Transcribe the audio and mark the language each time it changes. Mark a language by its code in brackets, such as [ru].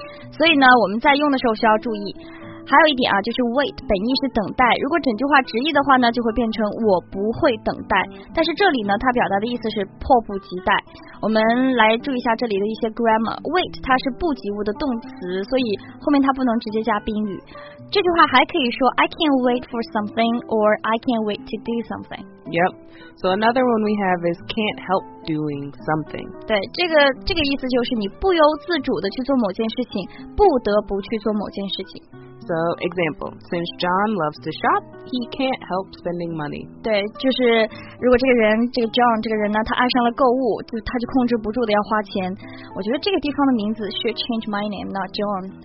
[zh] 所以呢，我们在用的时候需要注意。还有一点啊，就是 wait 本意是等待，如果整句话直译的话呢，就会变成我不会等待。但是这里呢，它表达的意思是迫不及待。我们来注意一下这里的一些 grammar。 wait 它是不及物的动词，所以后面它不能直接加宾语。这句话还可以说 [en] I can't wait for something or I can't wait to do something。 Yep. So another one we have is can't help doing something. [zh] 对，这个意思就是你不由自主的去做某件事情，不得不去做某件事情。 [en] So, example, since John loves to shop, he can't help spending money. [zh] 对，就是如果这个人，这个 John 这个人呢，他爱上了购物，他就控制不住的要花钱。我觉得这个地方的名字 [en] should change my name, not John.